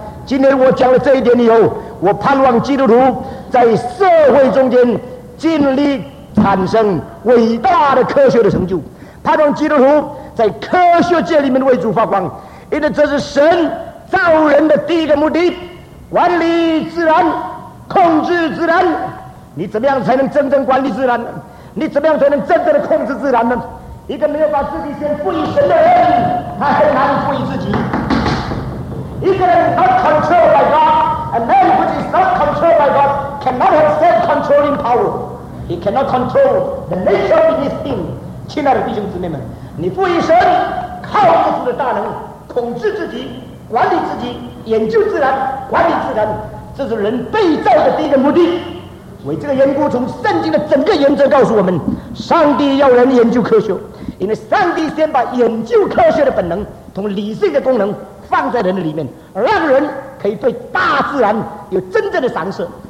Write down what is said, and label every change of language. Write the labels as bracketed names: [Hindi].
[Chinese] 今天我讲了这一点以后，我盼望基督徒在社会中间尽力产生伟大的科学的成就，盼望基督徒在科学界里面为主发光，因为这是神造人的第一个目的，管理自然，控制自然。你怎么样才能真正管理自然呢？你怎么样才能真正的控制自然呢？一个没有把自己先赋予神的人，他很难赋予自己。一个人 [English] not controlled by God, a man who is not controlled by God cannot have self-controlling power. He cannot control the nature of his thing. [Chinese] 亲爱的弟兄姊妹们，你赋予神靠自己的大能统治自己，管理自己，研究自然，管理自然，这是人被造的第一个目的。为这个缘故，从圣经的整个原则告诉我们，上帝要人研究科学，因为上帝先把研究科学的本能同理性的功能放在人的里面，让人可以对大自然有真正的赏识。